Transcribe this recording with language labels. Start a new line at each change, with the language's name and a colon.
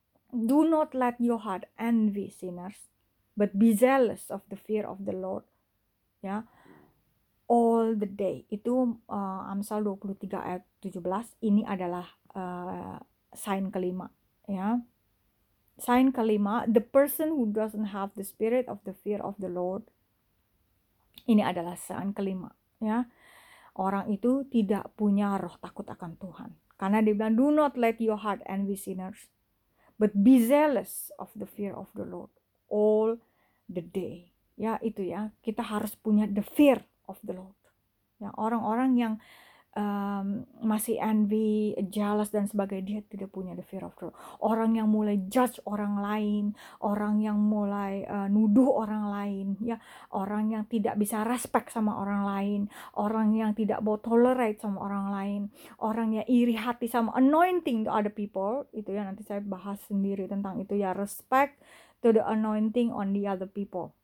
English: Do not let your heart envy sinners, but be zealous of the fear of the Lord ya, all the day.
Indonesian: Itu Amsal 23 ayat 17. Ini adalah sign kelima ya.
English: Sign kelima, the person who doesn't have the spirit of the fear of the Lord.
Indonesian: Ini adalah sign kelima ya. Orang itu tidak punya roh takut akan Tuhan. Karena dia bilang,
English: do not let your heart envy sinners, but be zealous of the fear of the Lord all the day.
Indonesian: Ya, itu ya. Kita harus punya
English: the fear of the Lord.
Indonesian: Ya, orang-orang yang masih envy, jealous dan sebagainya, dia tidak punya
English: the fear of the Lord.
Indonesian: Orang yang mulai judge orang lain, orang yang mulai nuduh orang lain, ya, orang yang tidak bisa respect sama orang lain, orang yang tidak mau tolerate sama orang lain, orang yang iri hati sama
English: anointing to other people,
Indonesian: itu ya nanti saya bahas sendiri tentang itu ya,
English: respect to the anointing on the other people.